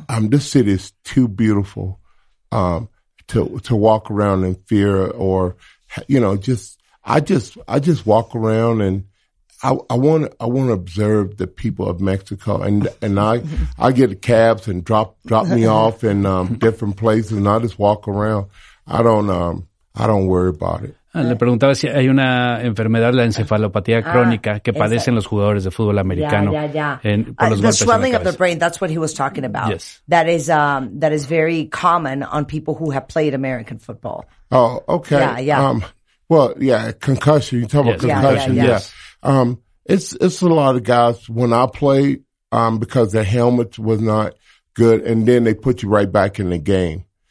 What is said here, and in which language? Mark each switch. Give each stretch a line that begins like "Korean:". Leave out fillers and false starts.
English: This city is too beautiful to walk around in fear, or you know, I just walk around and I want to observe the people of Mexico, and I get cabs and drop me off in different places, and I just walk around. I don't worry about it.
Spanish: Le preguntaba si hay una enfermedad, la encefalopatía crónica, que padecen los jugadores de fútbol americano.
English: The swelling of the brain, that's what he was talking about. Yes. That is very common on people who have played American football. Oh, okay. Yeah, yeah. Concussion. You talk about concussion. Yeah. It's a lot of guys, when I played, because the helmet was not good, and then they put you right back in the game.